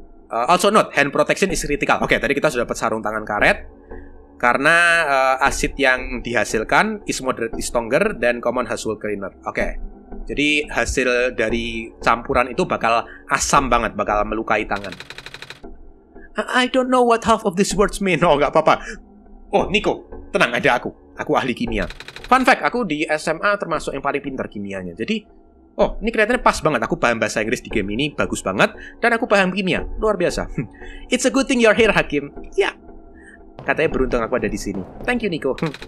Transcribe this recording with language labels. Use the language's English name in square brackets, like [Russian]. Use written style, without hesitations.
[English] Also note, hand protection is critical. [Indonesian] Oke, tadi kita sudah dapat sarung tangan karet. Karena asid yang dihasilkan [English] is moderately stronger than common household cleaner. Oke. [Indonesian] Jadi hasil dari campuran itu bakal asam banget, bakal melukai tangan. [English] I don't know what half of these words mean. [Indonesian] Oh, nggak apa-apa. Oh, Nico, tenang, ada aku. Aku ahli kimia. Fun fact, aku di SMA termasuk yang paling pintar kimianya. Jadi, oh, ini kelihatannya pas banget. Aku paham bahasa Inggris di game ini, bagus banget. Dan aku paham kimia, luar biasa. [English] It's a good thing you're here, Hakim. [Indonesian] Ya, katanya beruntung aku ada di sini. [English] Thank you, Nico.